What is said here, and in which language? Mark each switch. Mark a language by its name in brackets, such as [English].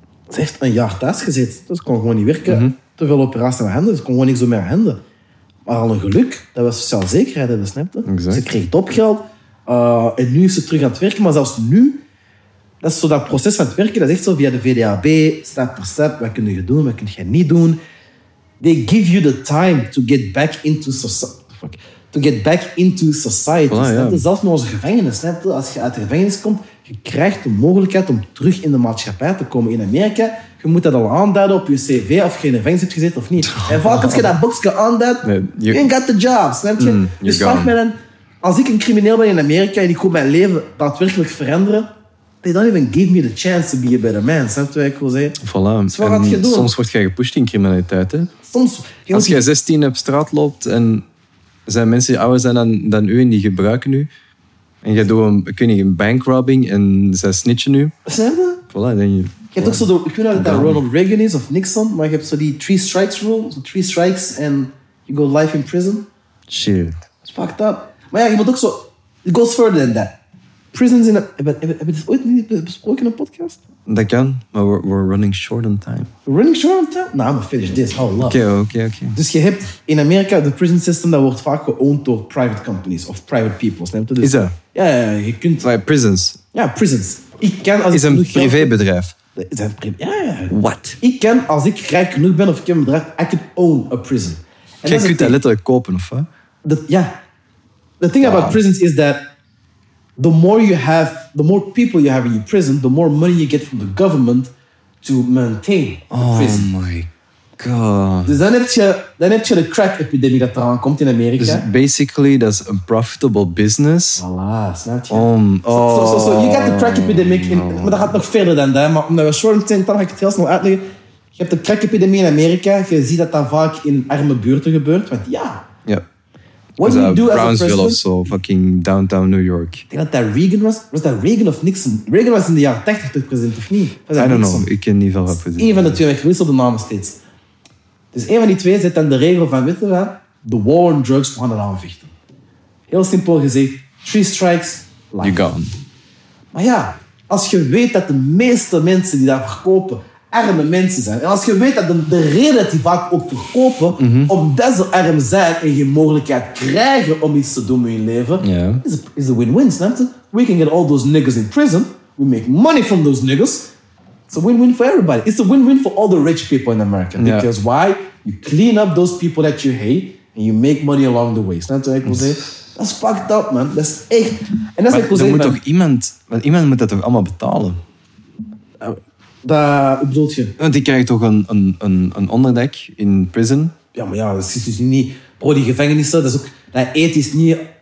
[Dutch] ze heeft een jaar thuis gezeten. Dus ze kon gewoon niet werken. Mm-hmm. Te veel operaties aan haar handen. Ze dus kon gewoon niet zo meer aan handen. Maar al een geluk. Dat was sociaal zekerheid. Dat snap je? Exact. Ze kreeg topgeld. En nu is ze terug aan het werken. Maar zelfs nu... Dat is zo dat proces van het werken. Dat is echt zo via de VDAB. Step per step. Wat kun je doen? Wat kun je niet doen? [English] They give you the time to get back into society. [Dutch] Zelfs met onze gevangenis. Snap je? Als je uit de gevangenis komt... Je krijgt de mogelijkheid om terug in de maatschappij te komen in Amerika. Je moet dat al aanduiden op je cv of je in de gevangenis hebt gezeten of niet. En vaak als je dat boxje aanduidt, [English] you ain't got the job, [Dutch] snap je? Dus vraag mij dan, als ik een crimineel ben in Amerika en ik wil mijn leven daadwerkelijk veranderen, [English] they don't even give me the chance to be a better man. [Dutch] Snap je wat ik wil zeggen? Voilà. Dus wat gaat je doen? Soms word jij gepusht in criminaliteit. Hè? Soms. Als jij 16 op straat loopt en er zijn mensen die ouder zijn dan u en die gebruiken u. En jij doet een bankrobbing en ze snitchen u. Snap je? Voilà, dan denk je. Je hebt ook zo ik weet niet of dat Ronald Reagan is of Nixon, maar je hebt zo die 3 strikes rule. [English] So 3 strikes and you go life in prison. Shit. It's fucked up. [Dutch] Maar ja, je moet ook zo. [English] It goes further than that. Prisons in a. [Dutch] Heb je dit ooit niet besproken in een podcast? Dat kan, maar [English] we're running short on time. We're running short on time? Nou, I'm gonna finish this. Hold up. [Dutch] Oké. Dus je hebt in Amerika de prison system dat wordt vaak geowned door [English] private companies [Dutch] of [English] private people. [Dutch] Snap je? Dus, is dat? Ja, je kunt. [English] Like prisons. [Dutch] Ja, prisons. Ik kan als is een privébedrijf. Wat? Ik kan, als ik rijk genoeg ben of ik heb een bedrag, [English] I can own a prison. [Dutch] Je kunt dat letterlijk kopen, of wat? Ja. [English] The thing about prisons is that the more you have, the more people you have in your prison, the more money you get from the government to maintain a prison. Oh my god. [Dutch] Dus dan heb je de crack-epidemie dat eraan komt in Amerika. Dus basically, dat is een profitable business. Voilà, snap je? [English] So, you got the [Dutch] crack-epidemie, maar dat gaat nog verder dan dat. Maar omdat we short on time, dan ga ik het heel snel uitleggen. Je hebt de crack-epidemie in Amerika. Je ziet dat dat vaak in arme buurten gebeurt. Want ja. [English] Yep. What do you do Brownsville [Dutch] of zo, [English] fucking downtown New York. [Dutch] Ik denk dat dat Reagan was. Was dat Reagan of Nixon? Reagan was in de jaren 80 de president, of niet? Was [English] I don't Nixon? Know, [Dutch] ik ken niet veel president. Eén van de twee, ik wissel de namen steeds. Dus één van die twee zet dan de regel van, weet je wat? [English] The war on drugs, [Dutch] we gaan dat aanvechten. Heel simpel gezegd, 3 strikes, life. [English] You're gone. [Dutch] Maar ja, als je weet dat de meeste mensen die daar verkopen, arme mensen zijn. En als je weet dat de reden dat die vaak ook verkopen, omdat ze arm zijn en je mogelijkheid krijgen om iets te doen in je leven, is een win-win, snap je? [English] We can get all those niggas in prison. We make money from those niggas. It's a win-win for everybody. It's a win-win for all the rich people in America. Yeah. Because why? You clean up those people that you hate and you make money along the way. [Dutch] Snap je? Dat is fucked up, man. Dat is echt. En dat is maar, dan moet toch iemand, want iemand moet dat toch allemaal betalen? Dat bedoel je? Want die krijgen toch een onderdek in prison? Ja, maar ja, dat is dus niet... Bro, die gevangenissen, dat is ook... Dat eten is niet...